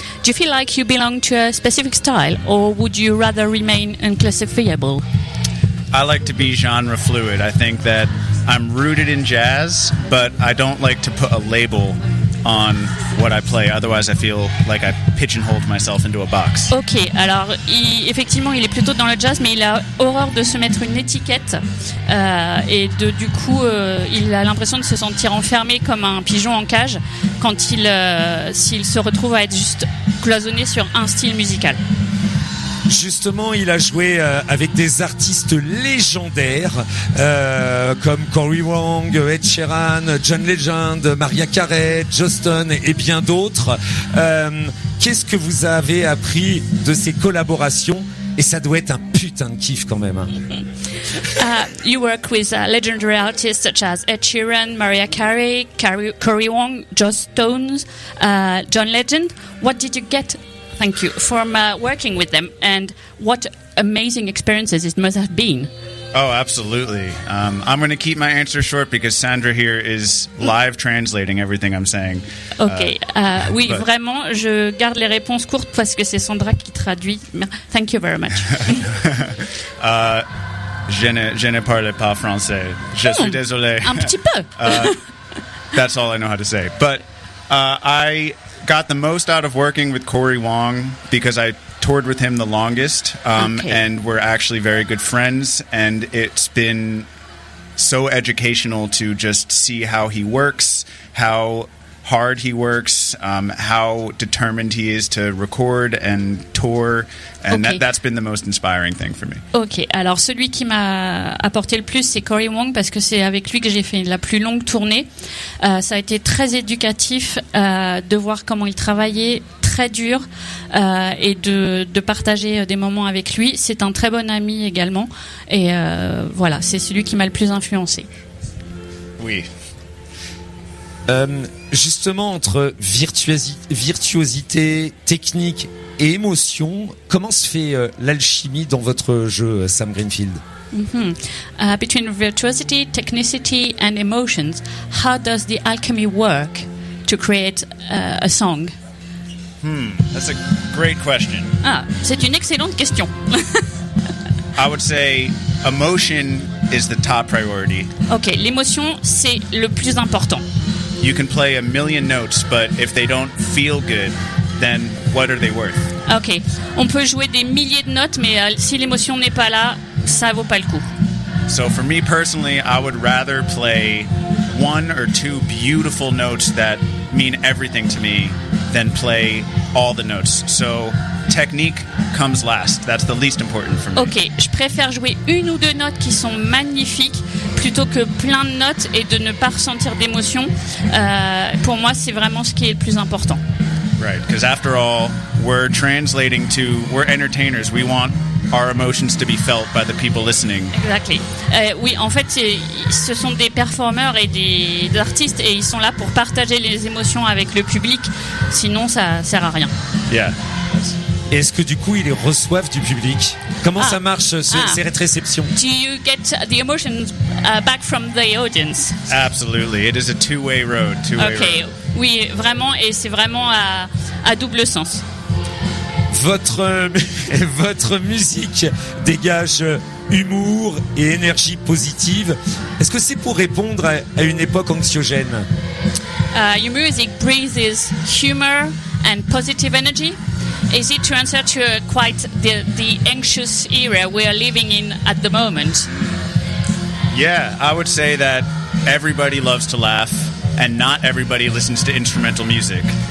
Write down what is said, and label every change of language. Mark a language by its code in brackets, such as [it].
[en] Do you feel like you belong to a specific style or would you rather remain unclassifiable? I like to be genre fluid. I think that I'm rooted in jazz, but I don't like to put a label on what I play. Otherwise, I feel like I pigeonhole myself into a box. [fr] Ok, alors effectivement, il est plutôt dans le jazz, mais il a horreur de se mettre une étiquette et de du coup, il a l'impression de se sentir enfermé comme un pigeon en cage quand il s'il se retrouve à être juste cloisonné sur un style musical. Justement, il a joué avec des artistes légendaires comme Corey Wong, Ed Sheeran, John Legend, Mariah Carey, Justin et bien d'autres. Qu'est-ce que vous avez appris de ces collaborations? Et ça doit être un putain de kiff quand même. [en] You work with legendary artists such as Ed Sheeran, Mariah Carey, Corey Wong, Justin, John Legend. What did you get? Thank you for working with them, and what amazing experiences it must have been. Oh, absolutely. I'm going to keep my answer short because Sandra here is live translating everything I'm saying. Okay. [fr] Vraiment, je garde les réponses courtes parce que c'est Sandra qui traduit. [en] Thank you very much. [fr] je ne parle pas français. Je suis désolé. Un petit peu. [en] That's all I know how to say. But I got the most out of working with Corey Wong because I toured with him the longest, and we're actually very good friends, and it's been so educational to just see how he works, how hard he works, how determined he is to record and tour, and that's been the most inspiring thing for me. [fr] Okay, alors celui qui m'a apporté le plus, c'est Corey Wong, parce que c'est avec lui que j'ai fait la plus longue tournée. Ça a été très éducatif de voir comment il travaillait, très dur, et de partager des moments avec lui. C'est un très bon ami également, et voilà, c'est celui qui m'a le plus influencé. Oui. Justement, entre virtuosité, technique et émotion, comment se fait l'alchimie dans votre jeu, Sam Greenfield? [en] Between virtuosity, technicity and emotions, how does the alchemy work to create a song? That's a great question. [fr] Ah, c'est une excellente question. [en] I would say emotion is the top priority. [fr] Okay, l'émotion, c'est le plus important. [en] You can play a million notes, but if they don't feel good, then what are they worth? Okay. [fr] On peut jouer des milliers de notes, mais si l'émotion n'est pas là, ça vaut pas le coup. [en] So for me personally, I would rather play one or two beautiful notes that mean everything to me than play all the notes. So technique comes last. That's the least important for me. Okay. [fr] Je préfère jouer une ou deux notes qui sont magnifiques plutôt que plein de notes et de ne pas ressentir d'émotion. Pour moi, c'est vraiment ce qui est le plus important. [en] Right, because after all, we're translating to, we're entertainers. We want our emotions to be felt by the people listening. Exactly. [fr] Oui, en fait, ce sont des performeurs et des artistes et ils sont là pour partager les émotions avec le public. Sinon, ça sert à rien. [en] Yeah. [fr] Est-ce que du coup ils reçoivent du public? Comment ça marche ces réceptions? [en] Do you get the emotions back from the audience? Absolutely, it is a two-way road. Two-way okay, road. [fr] Oui, vraiment, et c'est vraiment à double sens. Votre musique dégage humour et énergie positive. Est-ce que c'est pour répondre à une époque anxiogène? [en] Your music breathes humor and positive energy. Is it to answer to quite the anxious era we are living in at the moment? Yeah, I would say that everybody loves to laugh and not everybody listens to instrumental music.